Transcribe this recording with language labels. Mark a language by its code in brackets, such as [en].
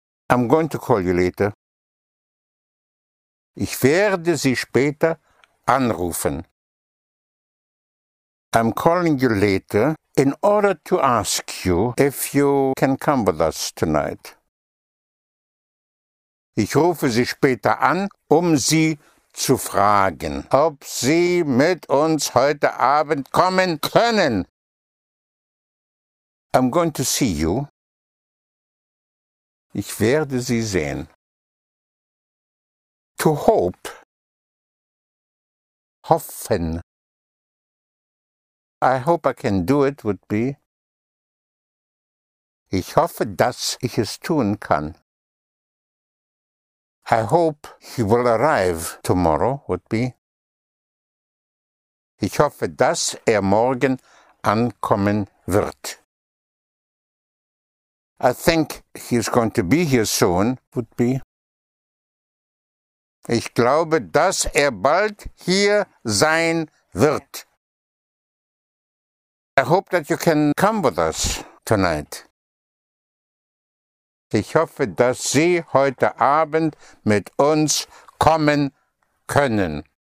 [en] I'm going to call you later. [de] Ich werde Sie später anrufen. [en] I'm calling you later in order to ask you if you can come with us tonight. [de] Ich rufe Sie später an, um Sie zu fragen, ob Sie mit uns heute Abend kommen können. [en] I'm going to see you. [de] Ich werde Sie sehen. [en] To hope. [de] Hoffen. [en] I hope I can do it would be. [de] Ich hoffe, dass ich es tun kann. [en] I hope he will arrive tomorrow would be. [de] Ich hoffe, dass er morgen ankommen wird. [en] I think he is going to be here soon would be. [de] Ich glaube, dass er bald hier sein wird. [en] I hope that you can come with us tonight. [de] Ich hoffe, dass Sie heute Abend mit uns kommen können.